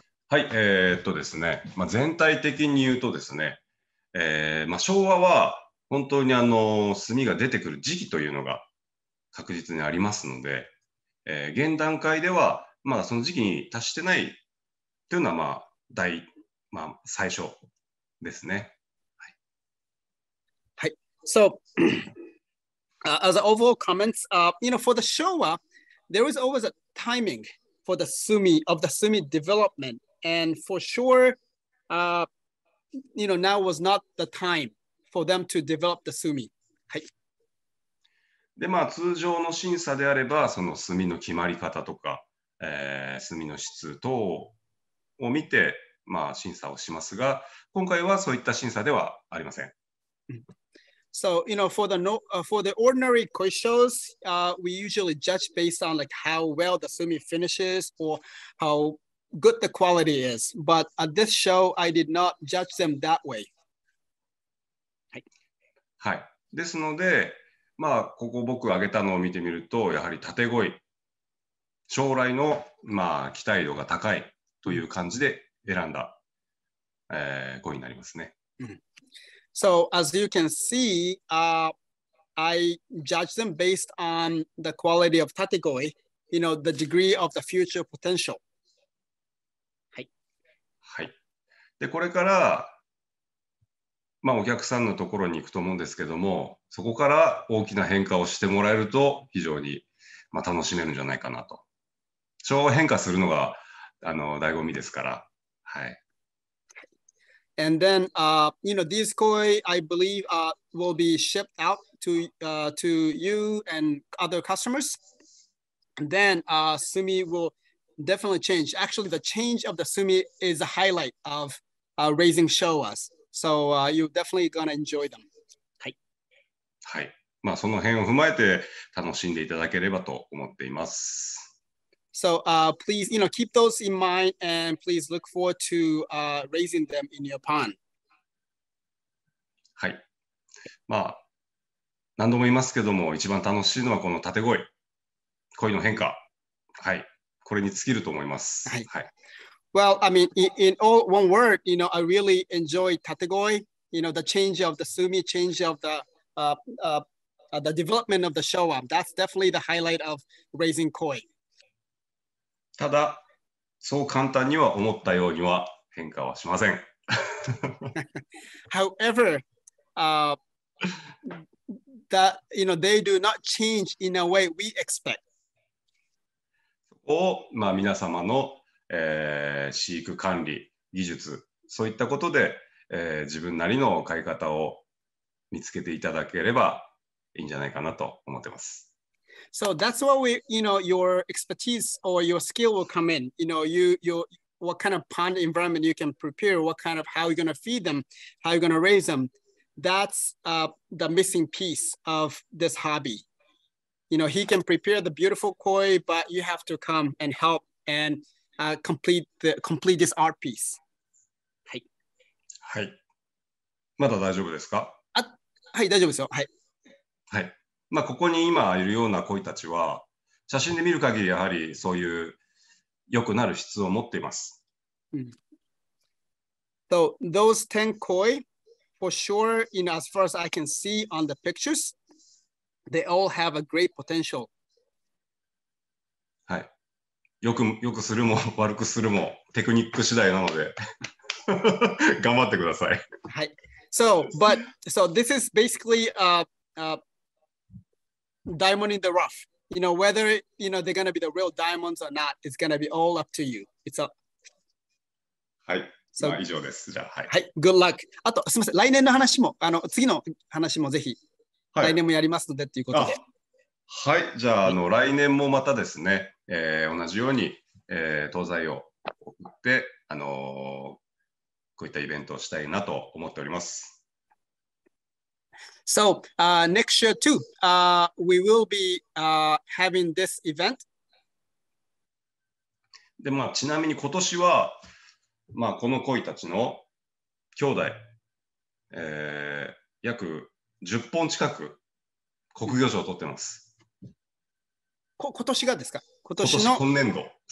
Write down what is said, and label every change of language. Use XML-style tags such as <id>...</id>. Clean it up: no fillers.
<ja>はい、ですね、まあ、全体的に言うとですね、まあ、昭和は本当にあの炭が出てくる時期というのが確実にありますので、現段階ではまだその時期に達してないというのはまあ大、まあ、最初ですね。はい、はい、</ja> <en>So, as an overall comments, you know, for the Showa, there is always a timing for the sumi, of the sumi development. And for sure, you know, now was not the time for them to develop the sumi.</en> <ja>はい。で、まあ、通常の審査であれば、その炭の決まり方とか、炭の質等を見て、まあ、審査をしますが、今回はそういった審査ではありません。</ja> <en>So, you know, for the, no, for the ordinary koi shows, we usually judge based on like how well the sumi finishes or howgood the quality is, but at this show, I did not judge them that way.</en> <ja>はい。はい。ですので、まあ、ここ僕挙げたのを見てみると、やはり縦鯉、将来の、まあ、期待度が高いという感じで選んだ、鯉になりますね。</ja> <en>So, as you can see, I judge them based on the quality of 縦鯉, you know, the degree of the future potential.</en> <ja>はい、でこれから、まあ、お客さんのところに行くと思うんですけども、そこから大きな変化をしてもらえると、非常に、まあ、楽しめるんじゃないかなと。超変化するのがあの醍醐味ですから。はい、</ja> <en>And then, you know, these koi, I believe, will be shipped out to,to you and other customers. And then, Sumi will... Definitely change. Actually, the change of the sumi is a highlight of raising showas. So you're definitely gonna enjoy them.</en> <ja>はい。はい。まあその辺を踏まえて楽しんでいただければと思っています。</ja> <en>So please, you know, keep those in mind and please look forward to raising them in your pond.</en> <ja>はい。まあ何度も言いますけども、一番楽しいのはこの縦鯉、鯉の変化。はい。これに尽きると思います。はい。はい、</ja> <en>well, I mean, in all one word, you know, I really enjoy tategoi you know, the change of the Sumi, change of the development of the Showa. That's definitely the highlight of raising koi.</en> <ja>ただ、そう簡単には思ったようには変化はしません。</ja> <en>However, that, you know, they do not change in a way we expect.</en> <ja>そこを、まあ、皆様の、飼育管理、技術、そういったことで、自分なりの飼い方を見つけていただければいいんじゃないかなと思ってます。</ja> <en>So that's what we, you know, your expertise or your skill will come in. You know, what kind of pond environment you can prepare, what kind of, how you're going to feed them, how you're going to raise them. That's the missing piece of this hobby. You know, he can prepare the beautiful koi, but you have to come and help and complete this art piece.</en> <ja>はい。はい。まだ大丈夫ですか？あ、はい、大丈夫ですよ。はい。はい。まあ、ここに今いるような鯉たちは、写真で見る限りやはりそういう良くなる質を持っています。</ja> <en>So, those 10 koi, for sure, you know, as far as I can see on the pictures, they all have a great potential.</en> <ja>はい。よくするも悪くするもテクニック次第なので頑張ってください。はい。</ja> <en>So, this is basically diamond in the rough. You know, whether, you know, they're going to be the real diamonds or not, it's going to be all up to you. It's up.</en> <ja>はい。So, まあ、以上です。じゃあ、はい。はい。</ja> <en>Good luck.</en> <ja>あと、すみません。来年の話も、あの、次の話もぜひ、はい、来年もやりますのでっていうことで。はい。じゃあ、あの、来年もまたですね、同じように、東西を送って、こういったイベントをしたいなと思っております。</ja> <en>So, next year too, we will be having this event.</en> <ja>で、まあ、ちなみに今年は、まあ、この鯉たちの兄弟、約10本近く国魚場を取ってます。今年がですか？今年の今年度。</ja>